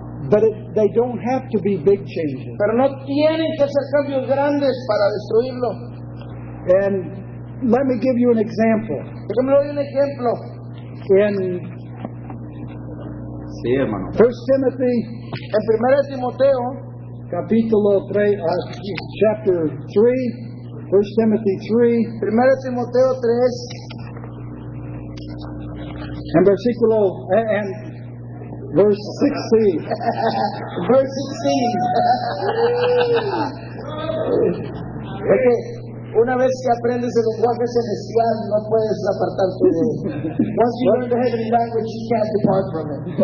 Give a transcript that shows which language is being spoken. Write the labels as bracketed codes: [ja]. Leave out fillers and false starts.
[en] But they don't have to be big changes. [es] Pero no tienen que ser cambios grandes para destruirlo. [en] And let me give you an example. [es] Déjame doy un ejemplo. [en] And [es] sí, [en] First Timothy, [es] en primera Timoteo, capítulo 3, [en] chapter 3, First Timothy 3, [es] primera Timoteo 3, [en] and versículo, and verse 16, verse 16. Okay. [es] Una vez que aprendes el lenguaje celestial, no puedes apartar tu voz. [en] Once you learn the heavenly language, you can't depart from it.